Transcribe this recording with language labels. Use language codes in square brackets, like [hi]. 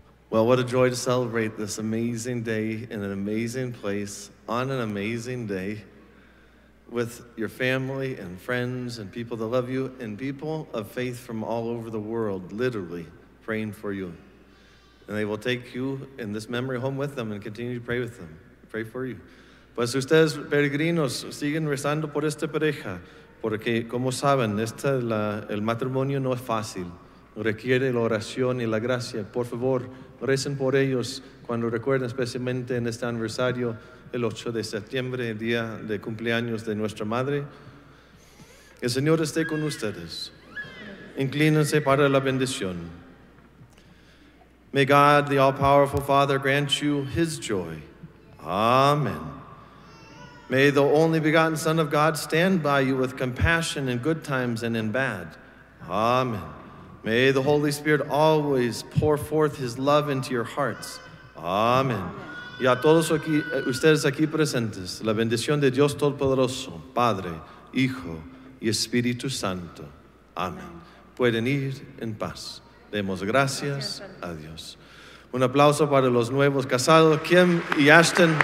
[en] Well, what a joy to celebrate this amazing day in an amazing place, on an amazing day, with your family and friends and people that love you and people of faith from all over the world, literally praying for you. And they will take you in this memory home with them and continue to pray with them, pray for you. [es] Pues ustedes, peregrinos, siguen rezando por esta pareja, porque como saben, el matrimonio no es fácil. Requiere la oración y la gracia. Por favor, recen por ellos cuando recuerden, especialmente en este aniversario, el 8 de septiembre, el día de cumpleaños de nuestra madre. El Señor esté con ustedes. Inclínense para la bendición. [en] May God, the all-powerful Father, grant you his joy. Amen. May the only begotten Son of God stand by you with compassion in good times and in bad. Amen. May the Holy Spirit always pour forth his love into your hearts. Amen. [es] Y a todos aquí, ustedes aquí presentes, la bendición de Dios Todopoderoso, Padre, Hijo y Espíritu Santo. Amen. Pueden ir en paz. Demos gracias a Dios. Un aplauso para los nuevos casados, Kim y Ashton.